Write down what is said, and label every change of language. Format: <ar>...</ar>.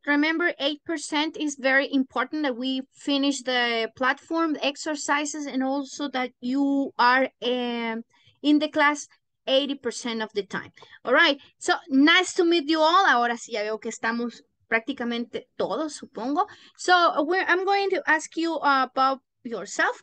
<en>Remember, 8% is very important that we finish the platform exercises and also that you are in the class 80% of the time. All right. So nice to meet you all.</en> <es>Ahora sí ya veo que estamos prácticamente todos, supongo.</es> <en>So I'm going to ask you about yourself.</en>